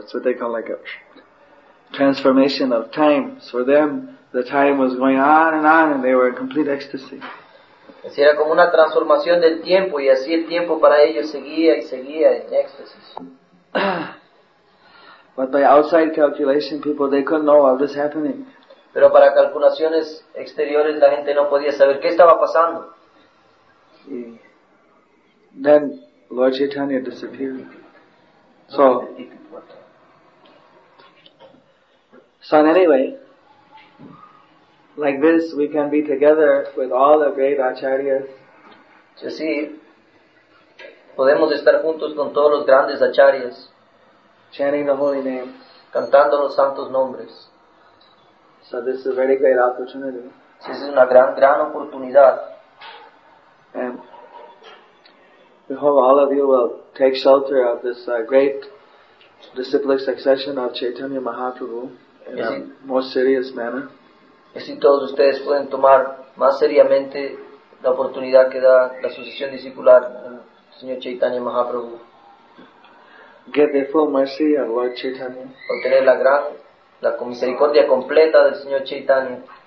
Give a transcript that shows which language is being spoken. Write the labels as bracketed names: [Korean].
[English] That's what they call like a transformation of time. So for them, the time was going on, and they were in complete ecstasy. [Spanish] Así era como una transformación del tiempo y así el tiempo para ellos seguía y seguía en éxtasis. [English] But by outside calculation, people, they couldn't know what was happening. [Spanish] Pero para calculaciones exteriores la gente no podía saber qué estaba pasando. [English] Y then Lord Chaitanya disappeared. So So in any way, like this, we can be together with all the great acharyas. [Spanish] Es decir, podemos estar juntos con todos los grandes acharyas, [English] chanting the holy names, [Spanish] cantando los santos nombres. [English] So this is a very great opportunity. [Spanish] Es una gran oportunidad. [English] And we hope all of you will take shelter of this great disciplic succession of Chaitanya Mahaprabhu in a most serious manner. [Spanish] Y si todos ustedes pueden tomar más seriamente la oportunidad que da la sucesión discipular del Señor Chaitanya Mahaprabhu. [English] Get the full mercy of Lord Chaitanya. [Spanish] Obtener la gran, la misericordia completa del Señor Chaitanya.